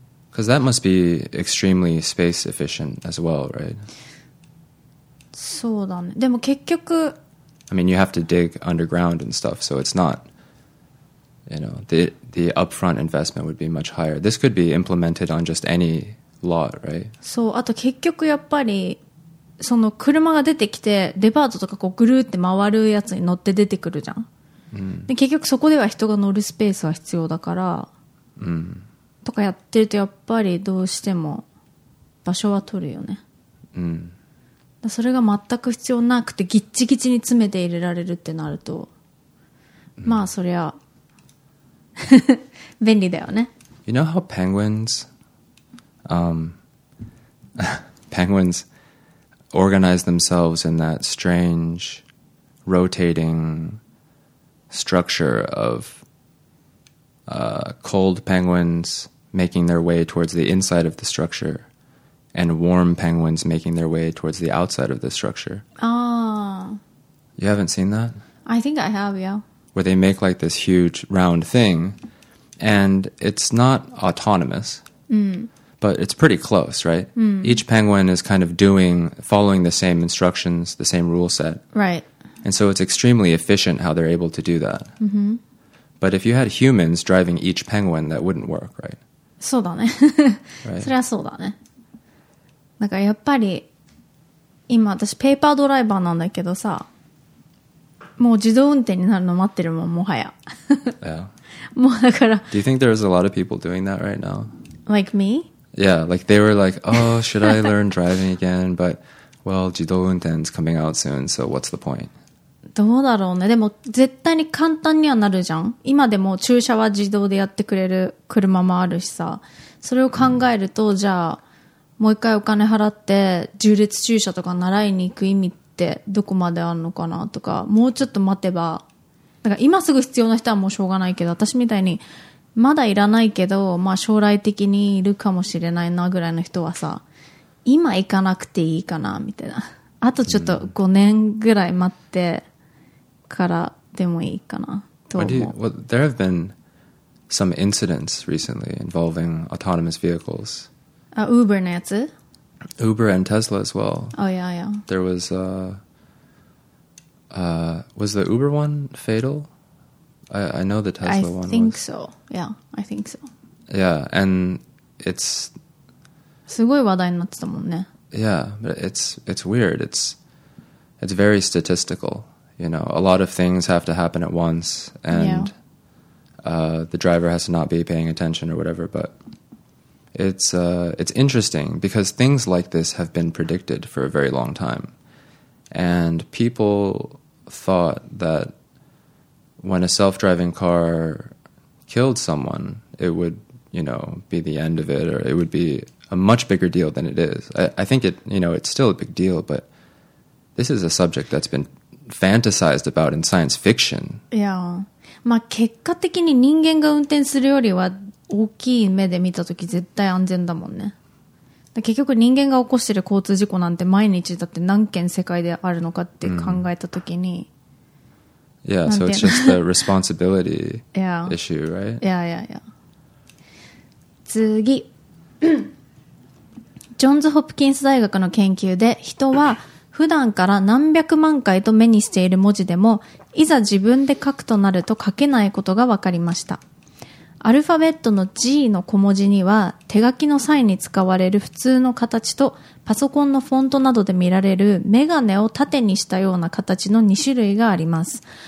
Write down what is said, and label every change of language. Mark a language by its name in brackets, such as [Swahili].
[English] Because that must be extremely space efficient as well, right? [Japanese] そうだね。でも結局 [English] I mean, you have to dig underground and stuff, so it's not, you know, the upfront investment would be much higher. This could be implemented on just any lot, right? [Japanese] そう、あと結局やっぱりその車が出てきてデパートとかこうぐるーって回るやつに乗って出てくるじゃん、うん、で結局そこでは人が乗るスペースは必要だから、うん、とかやってるとやっぱりどうしても場所は取るよね、うん、だそれが全く必要なくてギッチギチに詰めて入れられるってなると、うん、まあそりゃ便利だよね。 [English] You know how penguins penguins organize themselves in that strange rotating structure of cold penguins making their way towards the inside of the structure and warm penguins making their way towards the outside of the structure. Ah. You haven't seen that? I think I have, yeah. Where they make like this huge round thing and it's not autonomous. Mm. But it's pretty close, right? Mm. Each penguin is kind of doing, following the same instructions, the same rule set. Right. And so it's extremely efficient how they're able to do that. Mm-hmm. But if you had humans driving each penguin, that wouldn't work, right? [Japanese] そうだね。 [English] Right? [Japanese] それはそうだね。だからやっぱり、今私ペーパードライバーなんだけどさ、もう自動運転になるの待ってるもん、もはや。 [English] Yeah. [Japanese] もうだから。 [English] Do you think there's a lot of people doing that right now? Like me? Yeah, like they were like, oh, should I learn driving again? But, well, 自動運転 is coming out soon, so what's the point? [Japanese] どうだろうね。でも絶対に簡単にはなるじゃん。今でも駐車は自動でやってくれる車もあるしさ。それを考えると、じゃあもう一回お金払って縦列駐車とか習いに行く意味ってどこまであるのかなとか、もうちょっと待てば。だから今すぐ必要な人はもうしょうがないけど、私みたいに、まだいらないけど、まあ将来的にいるかもしれないなぐらいの人はさ、今行かなくていいかな、みたいな。あとちょっと5年ぐらい待ってからでもいいかな、と思う。 [English] Well, there have been some incidents recently involving autonomous vehicles. [Japanese] Uber のやつ? [English] Uber and Tesla as well. Oh, yeah, yeah. There was, was the Uber one fatal? I know the Tesla I one I think was. So. Yeah, I think so. Yeah, and it's... [Japanese] すごい話題になってたもんね。 [English] Yeah, but it's weird. It's very statistical. You know, a lot of things have to happen at once, and yeah. The driver has to not be paying attention or whatever, but it's interesting because things like this have been predicted for a very long time. And people thought thatWhen a self-driving car killed someone, it would, you know, be the end of it, or it would be a much bigger deal than it is. I think it, you know, it's still a big deal, but this is a subject that's been fantasized about in science fiction. Yeah. [Japanese] まあ結果的に人間が運転するよりは大きい目で見たとき絶対安全だもんね。だ結局人間が起こしてる交通事故なんて毎日だって何件世界であるのかって考えたときに、mm. [English] Yeah, so it's just the responsibility issue, right? Yeah, yeah, yeah. [Japanese] 次。ジョンズ・ホプキンス大学の研究で、人は普段から何百万回と目にしている文字でも、いざ自分で書くとなると書けないことが分かりました。アルファベットの G の小文字には、手書きの際に使われる普通の形と、パソコンのフォントなどで見られるメガネを縦にしたような形の2種類があります。